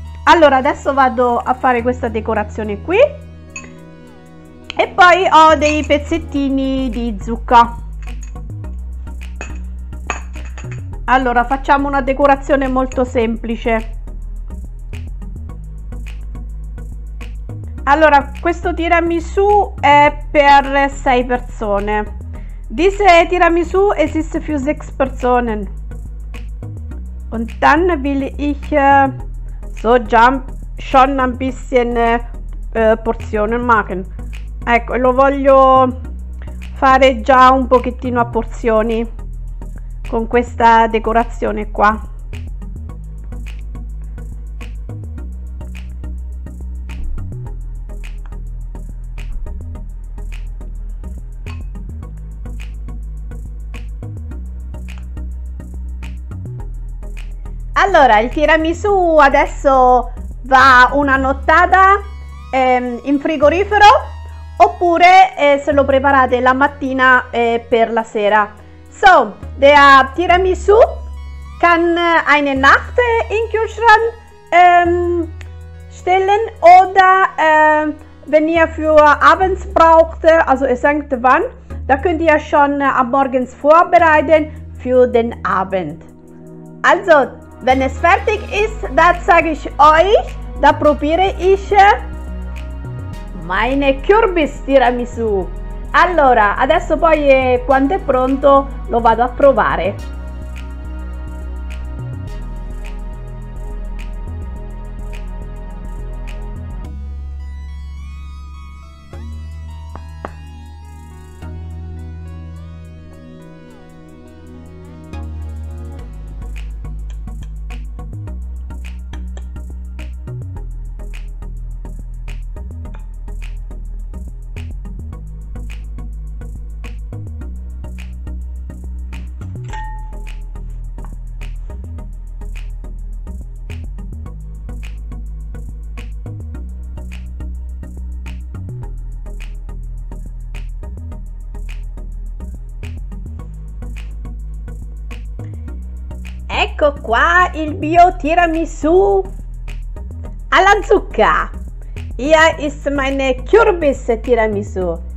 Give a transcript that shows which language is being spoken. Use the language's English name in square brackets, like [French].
[Italian] Allora, adesso vado a fare questa decorazione qui e poi ho dei pezzettini di zucca. Allora, facciamo una decorazione molto semplice. Allora, questo tiramisù è per 6 persone. [German] Diese Tiramisu es ist für 6 Personen. Und dann will ich so schon ein bisschen Portionen machen. [Italian] Ecco, lo voglio fare già un pochettino a porzioni con questa decorazione qua. Allora, il tiramisù adesso va una nottata in frigorifero oppure se lo preparate la mattina per la sera. [German] So, der Tiramisu kann eine Nacht im Kühlschrank stellen oder wenn ihr für abends braucht, also es hängt wann, da könnt ihr schon am morgens vorbereiten für den Abend. Also, wenn es fertig ist, da zeige ich euch, da probiere ich meine Kürbis-Tiramisu. [Italian] Allora, adesso poi quando è pronto lo vado a provare. Ecco qua il mio tiramisù alla zucca. [German] Hier ist meine Kürbis tiramisù.